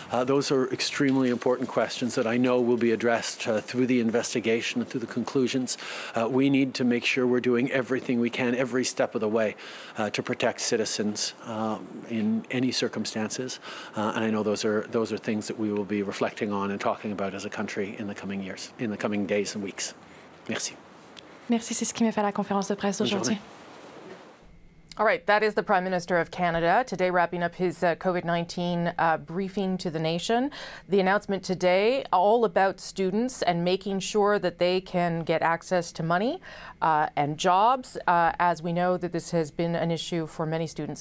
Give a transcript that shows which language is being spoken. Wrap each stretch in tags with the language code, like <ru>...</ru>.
<en>Those are extremely important questions that I know will be addressed through the investigation and through the conclusions. We need to make sure we're doing everything we can every step of the way to protect citizens in any circumstances. And I know those are things that we will be reflecting on and talking about as a country in the coming years, in the coming days and weeks.</en> <fr>Merci. Merci, c'est ce qui m'a fait la conférence de presse aujourd'hui.</fr> <en>All right, that is the Prime Minister of Canada today wrapping up his COVID-19 briefing to the nation. The announcement today, all about students and making sure that they can get access to money and jobs, as we know that this has been an issue for many students.</en>